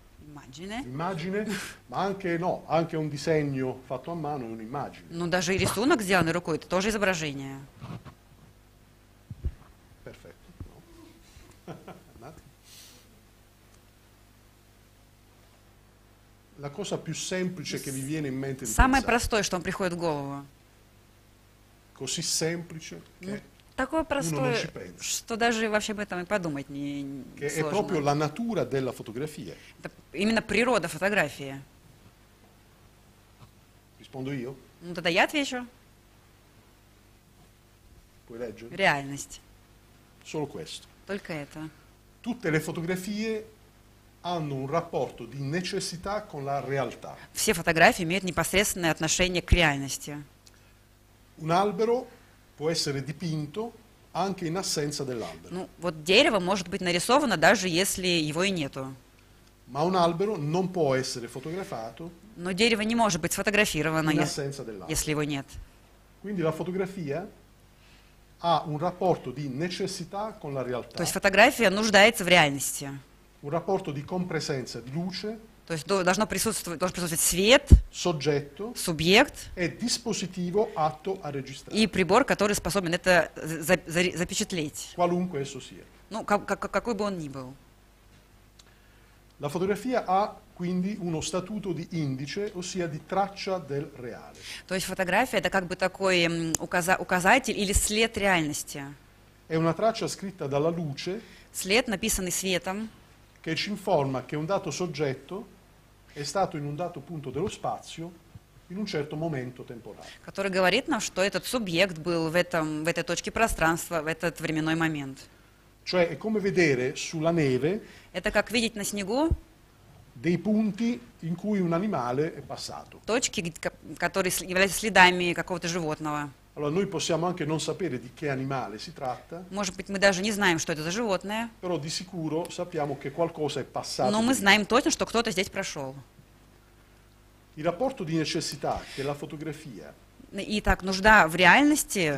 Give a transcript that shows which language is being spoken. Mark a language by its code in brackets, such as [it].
[it] Immagine, ma anche no, anche un disegno fatto a mano è un'immagine. [ru] Ну даже рисунок, сделанный рукой, это тоже изображение. [it] Perfetto. No. La cosa più semplice che vi viene in mente di [ru] самое простое, что вам приходит в голову. [it] Così semplice che [ru] такое простое, что даже вообще об этом и подумать не сложно. [it] È proprio la natura della fotografia. [ru] Это именно природа фотографии. [it] Rispondo io. [ru] Ну тогда я отвечу. [it] Puoi leggere? [ru] Реальность. [it] Solo questo. [ru] Только это. [it] Tutte le fotografie hanno un rapporto di necessità con la realtà. [ru] Все фотографии имеют непосредственное отношение к реальности. [it] Un albero può essere dipinto anche in assenza dell'albero. [ru] Ну, вот дерево может быть нарисовано даже если его и нету. [it] Ma un albero non può essere fotografato. [ru] Но дерево не может быть сфотографировано если его нет. [it] Quindi la fotografia ha un rapporto di necessità con la realtà. [ru] То есть фотография нуждается в реальности. [it] Un rapporto di compresenza di luce. [ru] То есть должно присутствовать свет, [it] soggetto, [ru] субъект [it] e dispositivo atto a registrare. [ru] И прибор, который способен это запечатлеть. [it] Qualunque esso sia. [ru] Ну, какой бы он ни был. [it] La fotografia ha quindi uno statuto di indice, ossia di traccia del reale. [ru] То есть фотография это как бы такой указатель или след реальности. [it] È una traccia scritta dalla luce. [ru] След, написанный светом. [it] Che ci informa che un dato soggetto è stato in un dato punto dello spazio in un certo momento temporale. [ru] Который говорит нам, что этот субъект был в этой точке пространства, в этот временной момент. [it] Cioè, è come vedere sulla neve [ru] это как видеть на снегу [it] dei punti in cui un animale è passato. [ru] Точки, которые являются следами какого-то животного. [it] Allora, noi possiamo anche non sapere di che animale si tratta. [ru] Может быть, мы даже не знаем, что это за животное. [it] Però di sicuro sappiamo che qualcosa è passato. [ru] Но мы знаем точно, что кто-то здесь прошел. [it] Il rapporto di necessità che la fotografia [ru] Итак, нужда в реальности,